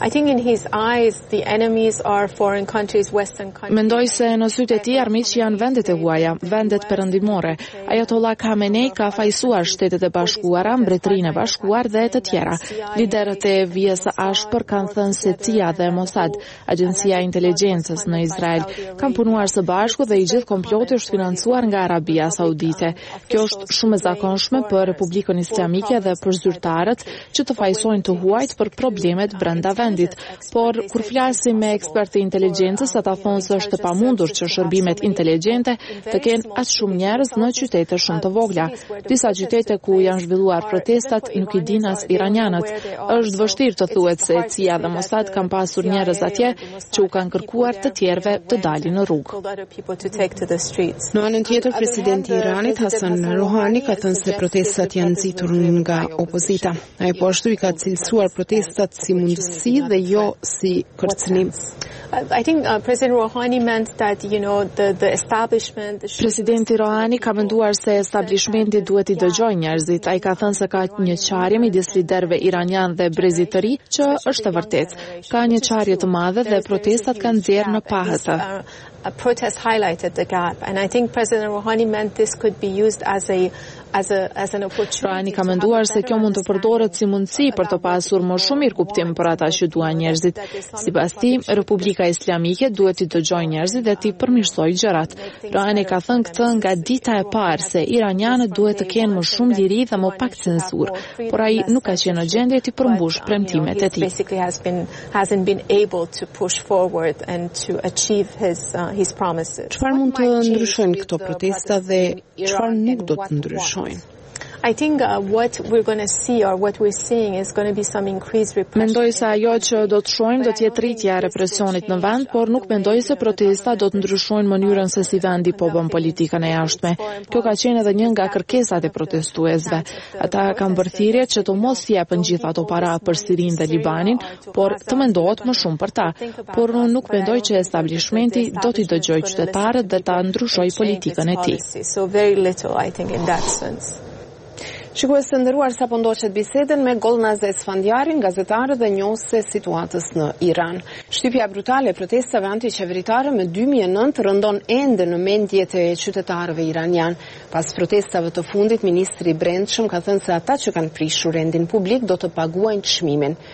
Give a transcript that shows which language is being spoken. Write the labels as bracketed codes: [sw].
[en] I think in his eyes the enemies are foreign countries, western countries. [sq] Mendoj se në sytë e tij armiqt janë vendet e huaja, vendet perëndimore. Ayatollah Khamenei ka fajsuar Shtetet e Bashkuara, Mbretërinë e Bashkuar dhe të tjera. Liderët e vijës së ashpër kanë thënë se CIA dhe Mossad, agjencia e inteligjencës në Izrael, kanë punuar së bashku dhe i gjithë komploti është financuar nga Arabia Saudite. Kjo është shumë e zakonshme për Republikën Islamike dhe për zyrtarët që të fajsojnë të huajt për problemet brenda vendit. Por, kur flasim me ekspertë e inteligjencës, ata thonë se është pamundur që shërbimet inteligjente të kenë as shumë njerëz në qytete shumë të vogla. Disa qytete ku janë zhvilluar protestat nuk i din as iranianët. Është vështirë të thuhet se CIA dhe Mossad kanë pasur njerëz atje që u kanë kërkuar të tjerëve të dalin në rrugë. Në anën tjetër, presidenti i Iranit Hasan Rouhani ka thënë se protestat janë nxitur nga opozita. Ai po ashtu i ka cilësuar protestat si mundësi dhe jo si kërcënim. [en] I think President Rouhani meant that, you know, the establishment... [sq] Presidenti Rouhani ka menduar se establishmenti duhet i dëgjoj njerëzit. Ai ka thënë se ka një qarje midis liderve iranian dhe brezit të ri, që është e vërtet. Ka një qarje të madhe dhe protestat kanë dhjerë në pahëtë. [en] A protest highlighted the gap, and I think President Rouhani meant this could be used as an opportunity. [sq] Rouhani ka menduar se kjo mund të përdoret si mundësi për të pasur më shumë mirë kuptim për ata që duan njerëzit. Sipas tij, Republika Islamike duhet të dëgjojë njerëzit dhe të përmirësojë gjërat. Rouhani ka thënë këtë nga dita e parë se iranianët duhet të kenë më shumë liri dhe më pak censurë, por ai nuk ka qenë në gjendje të përmbush premtimet e tij. [en] Basically hasn't been able to push forward and to achieve his promises. [sq] Çfarë mund të ndryshojnë këto protesta dhe çfarë nuk do të ndryshojnë? Mendoj se ajo që do të shohim do të jetë rritja e represionit në vend, por nuk mendoj se protestat do të ndryshojnë mënyrën se si vendi po bën politikën e jashtme. Kjo ka qenë edhe një nga kërkesat e protestuesve. Ata kanë bërë thirrje që të mos jepen gjithë ato para për Sirinë dhe Libanin, por të mendohet më shumë për ta. Por nuk mendoj që establishmenti do t'i dëgjojë qytetarët dhe ta ndryshojë politikën e tij. [en] So very little, I think, in that sense. [sq] Shikues të nderuar, sapo ndoqet bisedën me Golnaz Esfandiarin, gazetarë dhe njohës e situatës në Iran. Shtypja brutale e protestave antiqeveritare me 2009 rëndon ende në mendjet e qytetarëve iranian. Pas protestave të fundit, ministri i Brendshëm ka thënë se ata që kanë prishur rendin publik do të paguajnë çmimin.